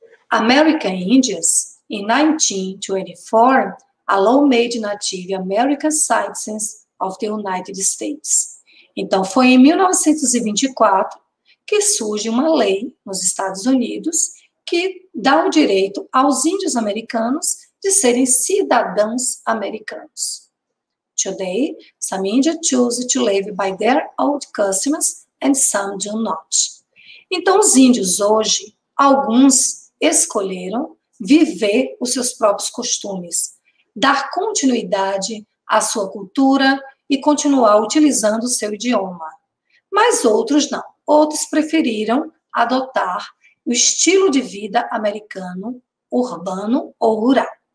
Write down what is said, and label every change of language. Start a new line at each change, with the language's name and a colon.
English: American Indians, in 1924, a law made Native American citizens of the United States.
Portuguese: Então, foi em 1924 que surge uma lei nos Estados Unidos que dá o direito aos índios americanos de serem cidadãos americanos.
English: Today, some Indians choose to live by their old customs and some do not.
Portuguese: Então, os índios hoje, alguns escolheram viver os seus próprios costumes, dar continuidade à sua cultura e continuar utilizando o seu idioma. Mas outros não. Outros preferiram adotar o estilo de vida americano, urbano ou rural.